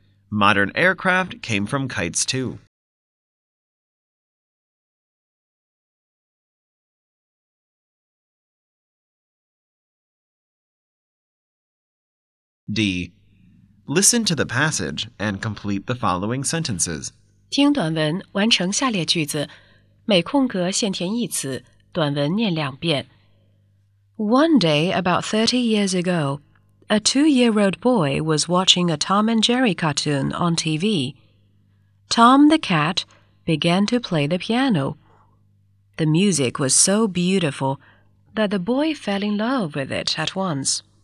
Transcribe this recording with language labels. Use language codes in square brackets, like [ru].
[en] Modern aircraft came from kites too. D. Listen to the passage and complete the following sentences. [zh] 听短文，完成下列句子，每空格限填一词，短文念两遍。 [en] One day about 30 years ago, a 2-year-old boy was watching a Tom and Jerry cartoon on TV. Tom the cat began to play the piano. The music was so beautiful that the boy fell in love with it at once.